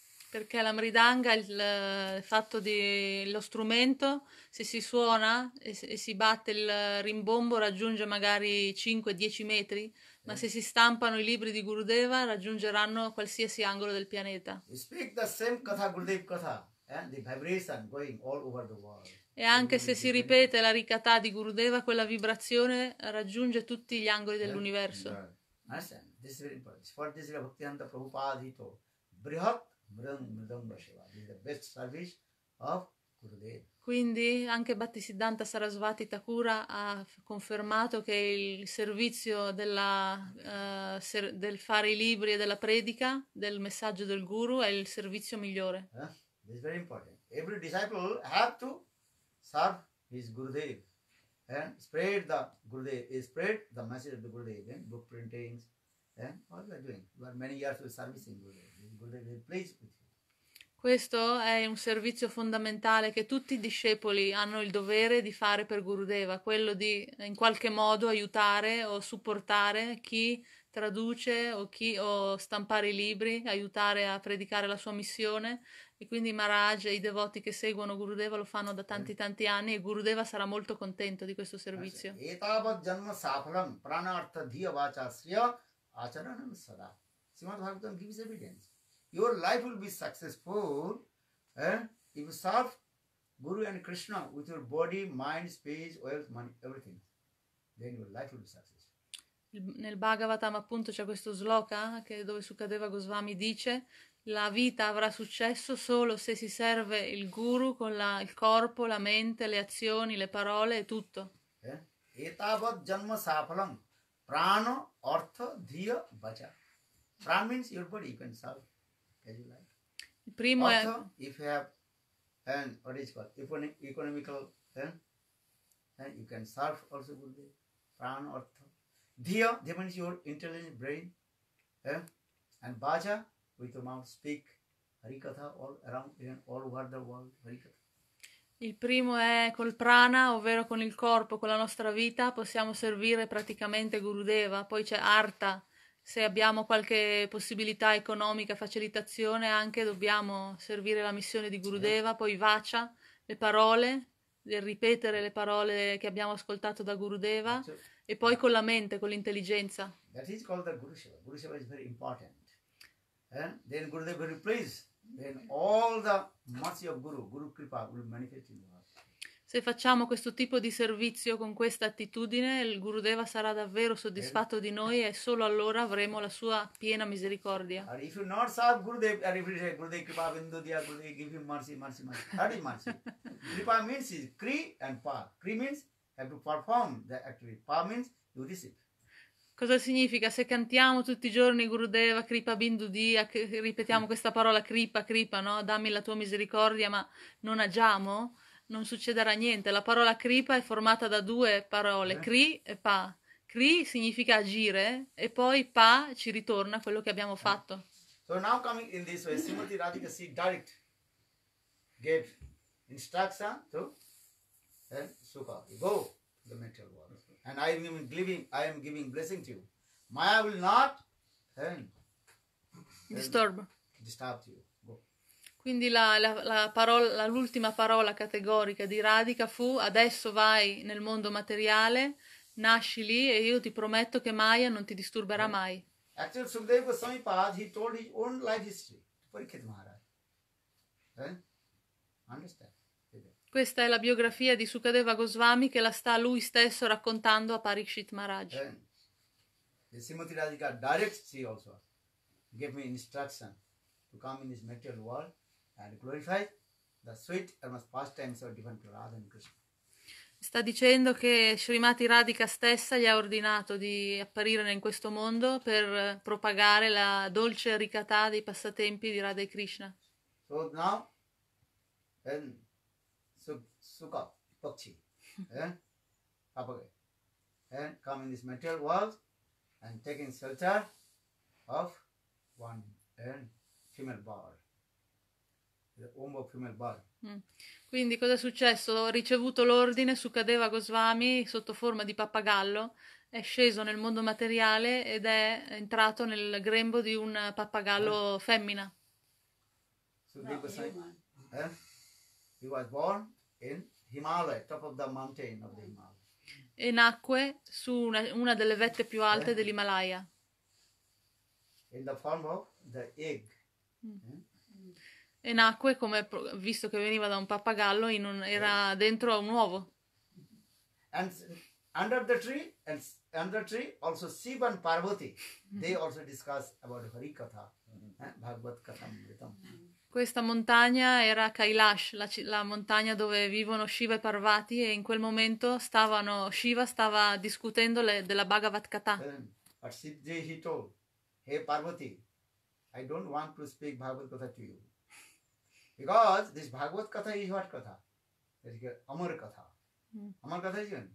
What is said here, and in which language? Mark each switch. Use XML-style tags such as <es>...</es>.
<it>Perché la mridanga, il fatto di lo strumento, se si suona e si batte il rimbombo, raggiunge magari 5-10 metri, ma se si stampano i libri di Gurudeva, raggiungeranno qualsiasi angolo del pianeta.</it> <en>You speak the same katha, Gurudev katha, and the vibration going all over the world.</en> <it>E anche se si ripete la Rikatha di Gurudeva, quella vibrazione raggiunge tutti gli angoli dell'universo.</it> <en>This is very important. For this is Bhaktivinoda Prabhupada he told, Brihat Mridanga Seva. This is the best service of Gurudev.</en> <it>Quindi anche Bhaktisiddhanta Sarasvati Thakura ha confermato che il servizio del fare i libri e della predica, del messaggio del Guru, è il servizio migliore.</it> <en>This is very important. Every disciple has to serve his Gurudev. and spread the Gurudev, spread the message of the Gurudev, and book printings, and all we are doing. We are many years of service in Gurudev. Gurudev is pleased with you.</en> <it>Questo è un servizio fondamentale che tutti i discepoli hanno il dovere di fare per Gurudeva, quello di in qualche modo aiutare o supportare chi traduce o chi o stampare i libri, aiutare a predicare la sua missione. E quindi Maharaj e i devoti che seguono Gurudeva lo fanno da tanti tanti anni e Gurudeva sarà molto contento di questo servizio.</it> <sa>Etavat janma safalam pranartha dhiya vachasya acharanam sada.</sa> <en>Srimad Bhagavatam gives evidence. Your life will be successful if you serve Guru and Krishna with your body, mind, speech, wealth, money, everything. Then your life will be successful.</en> <it>Nel Bhagavatam appunto c'è questo sloka che dove Sukadeva Goswami dice: la vita avrà successo solo se si serve il guru con la, il corpo, la mente, le azioni, le parole e tutto.</it> <sa>Etavat janma safalam prana artha dhiya vacha.</sa> <en>Prana means your body, you can serve as you like.</en> <it>Il primo</it> <sa>artha,</sa> <it>è</it> <en>if you have and what is called economical then you can serve also Gurudev. Prana artha dhiya, that means your intelligent brain and vacha with your mouth speak harikatha all around and all over the world harikatha.</en> <it>Il primo è col prana, ovvero con il corpo, con la nostra vita possiamo servire praticamente Gurudeva. Poi c'è artha, se abbiamo qualche possibilità economica, facilitazione, anche dobbiamo servire la missione di Gurudeva. Poi vacha, le parole, il ripetere le parole che abbiamo ascoltato da Gurudeva. E poi con la mente, con l'intelligenza.</it> <en>That is called the Guru Seva. Guru Seva is very important. And then Gurudev will be pleased. Then all the mercy of Guru, Guru Kripa, will manifest in the heart.</en> <it>Se facciamo questo tipo di servizio con questa attitudine, il Gurudeva sarà davvero soddisfatto di noi e solo allora avremo la sua piena misericordia.</it> <en>Or if you not serve Gurudev, or if you say</en> <bn>Gurudev Kripa Bindu Diya,</bn> <en>Gurudev give him mercy, mercy, mercy. That is mercy. Kripa means is Kri and Pa. Kri means have to perform the activity. Pa means you receive.</en> <it>Cosa significa? Se cantiamo tutti i giorni</it> <bn>Gurudeva, Kripa Bindu Diya,</bn> <it>ripetiamo questa parola Kripa, Kripa, no? Dammi la tua misericordia, ma non agiamo, non succederà niente. La parola Kripa è formata da due parole, Kri e Pa. Kri significa agire e poi Pa ci ritorna quello che abbiamo fatto.</it> <en>So now coming in this way, Srimati Radhika si direct gave instruction to Sukha, go to the material world. And I am giving blessing to you. Maya will not disturb you. Go.</en> <it>Quindi l'ultima parola categorica di Radhika fu: adesso vai nel mondo materiale, nasci lì e io ti prometto che Maya non ti disturberà mai.</it> <en>Actually, Sukadeva Goswami Pada, he told his own life history to Parikshit Maharaj. Understand?</en> <it>Questa è la biografia di Sukadeva Goswami che la sta lui stesso raccontando a Parikshit Maharaj.</it> <en>E Srimati Radhika direct she also gave me instruction to come in this material world and glorify the sweet almost past times of different Radha and Krishna.</en> <it>Sta dicendo che Srimati Radhika stessa gli ha ordinato di apparire in questo mondo per propagare la dolce ricatà dei passatempi di Radha e Krishna.</it> <en>So now and Sukha, Pakshi, Papagai, and come in this material world and taking shelter of one female bird, the womb of female bird.</en> <it>Quindi cosa è successo? Ho ricevuto l'ordine, Sukadeva Goswami, sotto forma di pappagallo, è sceso nel mondo materiale ed è entrato nel grembo di un pappagallo femmina.</it> <en>Sukadeva Goswami, he was born in Himalaya, top of the mountain of the Himalaya.</en> <it>E nacque su una delle vette più alte dell'Himalaya.</it> <en>In the form of the egg.</en> <it>E nacque, come visto che veniva da un pappagallo, era dentro un uovo.</it> <en>And under the tree also Shiva and Parvati, they also discuss about Harikatha, Bhagavat Kathamritam.</en> <it>Questa montagna era Kailash, la montagna dove vivono Shiva e Parvati, e in quel momento Shiva stava discutendo della Bhagavat Katha.</it> <en>But Shivji, he told, hey Parvati, I don't want to speak Bhagavat Katha to you. Because this Bhagavat Katha is what Katha? It's Amar Katha. Amar Katha is</en>